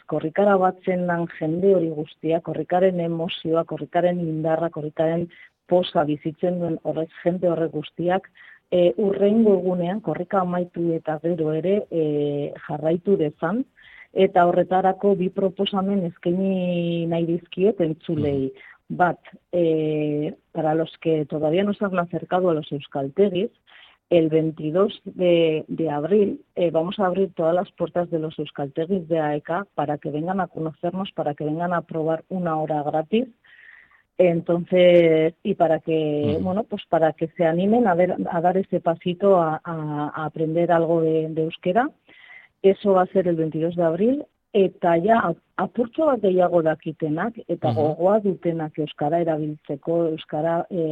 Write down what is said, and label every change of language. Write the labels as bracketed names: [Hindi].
[Basque] Korrikara batzen dan jende hori guztia, korrikaren emozioa, korrikaren indarra, korrikaren posa bizitzen duen horrek, jende horrek guztiak, urrengo egunean, korrika amaitu eta gero ere jarraitu dezan, eta horretarako bi proposamen eskaini nahi dizkiet entzulei. [Spanish] Bat, para los que todavía no se han acercado a los euskaltegis, el 22 de abril vamos a abrir todas las puertas de los euskaltegis de AEK para que vengan a conocernos, para que vengan a probar 1 hora gratis. Entonces, y para que, bueno, pues para que se animen a dar ese pasito a aprender algo de euskera. Eso va a ser el 22 de abril. [Basque] Eta ya apurtxo bat gehiago dakitenak, eta gogoa dutenak euskara erabiltzeko, euskara